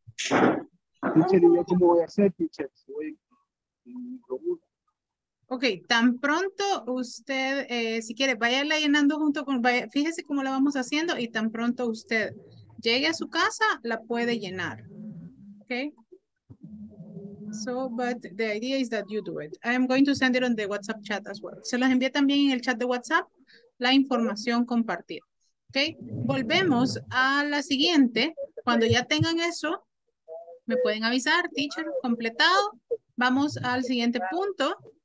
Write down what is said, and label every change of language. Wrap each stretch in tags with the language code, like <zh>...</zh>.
<es>Teacher, ¿y yo cómo voy a hacer, teacher? Okay, tan pronto usted, si quiere, váyala llenando junto con, vaya, fíjese cómo la vamos haciendo y tan pronto usted llegue a su casa, la puede llenar. Okay.</es> <en>So, but the idea is that you do it. I am going to send it on the WhatsApp chat as well.</en> <es>Se las envié también en el chat de WhatsApp la información compartida. Okay. Volvemos a la siguiente. Cuando ya tengan eso, me pueden avisar, teacher, completado. Vamos al siguiente punto.</es>